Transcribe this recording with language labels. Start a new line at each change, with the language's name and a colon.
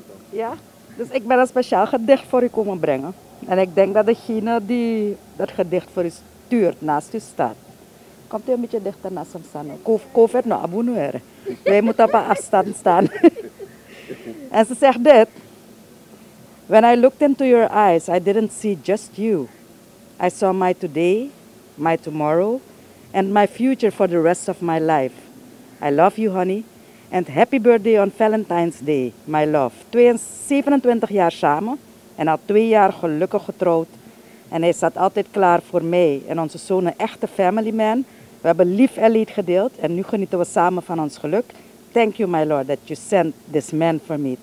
Dutch: Ja, dus ik ben een speciaal gedicht voor u komen brengen. En ik denk dat degene die dat gedicht voor u stuurt, naast u staat. Komt u een beetje dichter naast hem staan. COVID nou abonneren. Wij moeten op een afstand staan. En ze zegt dit.
English: When I looked into your eyes, I didn't see just you. I saw my today, my tomorrow, and my future for the rest of my life. I love you, honey. And happy birthday on Valentine's Day, my love.
Dutch: 27 jaar samen en al 2 jaar gelukkig getrouwd. En hij staat altijd klaar voor mij en onze zoon een echte
English: family man.
Dutch: We hebben lief en leed gedeeld en nu genieten we samen van ons geluk.
English: Thank you, my lord, that you sent this man for me.